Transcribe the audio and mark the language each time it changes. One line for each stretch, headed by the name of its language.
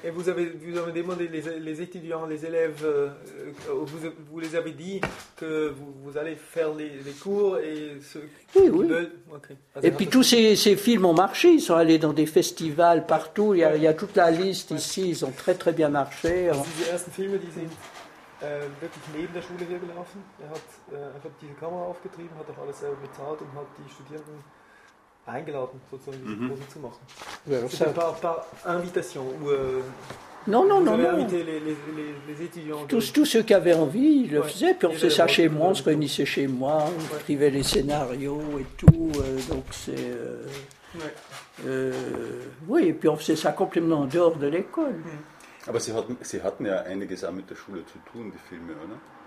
French: Et vous avez demandé les étudiants, les élèves, vous les avez dit que vous allez faire les cours et ceux qui veulent. Okay. Et puis tous ces films ont marché, ils sont allés dans des festivals partout, il y a toute la liste ici, ils ont très très bien marché. Les premiers films, ils sont vraiment
German: neben der Schule gelaufen. Er hat einfach diese Kamera aufgetrieben, hat auch alles selber bezahlt und hat die Studierenden eingeladen, sozusagen diese Kurse zu machen.
French: Ja, par invitation ou Non. Les étudiants. Tous ceux qui avaient envie, ils le faisaient. Puis on faisait ça chez moi, on se réunissait chez moi, on écrivait les scénarios et tout. Donc c'est. Oui, et puis on faisait ça complètement en dehors de l'école.
German: Aber sie hatten ja einiges auch mit der Schule zu tun, die Filme, oder?